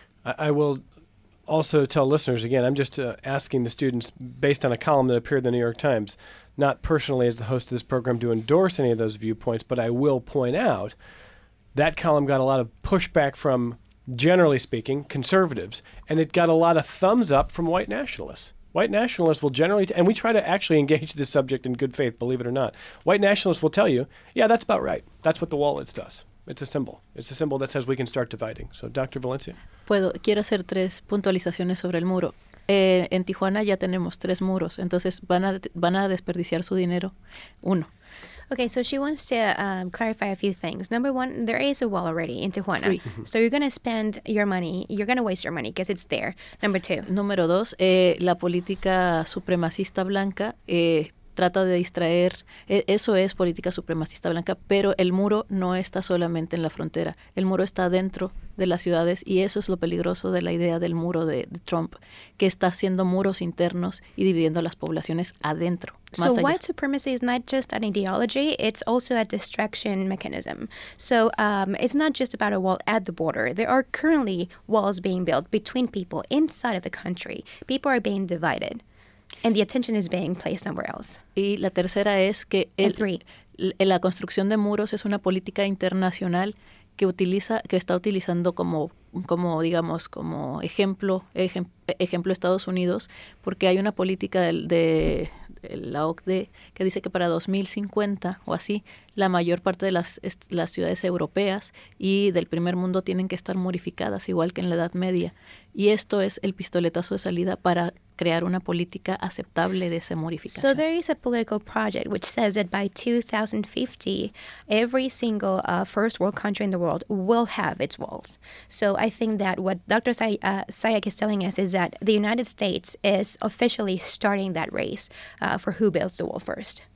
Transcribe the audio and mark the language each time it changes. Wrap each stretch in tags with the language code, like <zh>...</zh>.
<en>I will also tell listeners, again, I'm just asking the students, based on a column that appeared in the New York Times, not personally as the host of this program to endorse any of those viewpoints, but I will point out that column got a lot of pushback from, generally speaking, conservatives, and it got a lot of thumbs up from white nationalists. White nationalists will generally, and we try to actually engage this subject in good faith, believe it or not, white nationalists will tell you, yeah, that's about right. That's what the wall is to us. It's a symbol. It's a symbol that says we can start dividing. So, Dr. Valencia.</en> <es>Quiero hacer tres puntualizaciones sobre el muro. En Tijuana ya tenemos tres muros, entonces van a desperdiciar su dinero. Uno.</es> <en>Okay, so she wants to clarify a few things. Number one, there is a wall already in Tijuana. Three. So you're going to spend your money, you're going to waste your money because it's there. Number two.</en> <es>Número dos, la política supremacista blanca trata de distraer, eso es política supremacista blanca, pero el muro no está solamente en la frontera, el muro está dentro de las ciudades, y eso es lo peligroso de la idea del muro de Trump, que está haciendo muros internos y dividiendo a las poblaciones adentro.</es> <en>So white supremacy is not just an ideology, it's also a distraction mechanism. So it's not just about a wall at the border. There are currently walls being built between people inside of the country. People are being divided. And the attention is being placed somewhere else.</en> <es>Y la tercera es que la construcción de muros es una política internacional que está utilizando como ejemplo Estados Unidos, porque hay una política de la OCDE, que dice que para 2050 o así, la mayor parte de las ciudades europeas y del primer mundo tienen que estar murificadas, igual que en la Edad Media. Y esto es el pistoletazo de salida para crear una política aceptable de esa murificación.</es> <en>So there is a political project which says that by 2050, every single first world country in the world will have its walls. So I think that what Dr. Sayak is telling us is that the United States is officially starting that race for who builds the wall first.</en>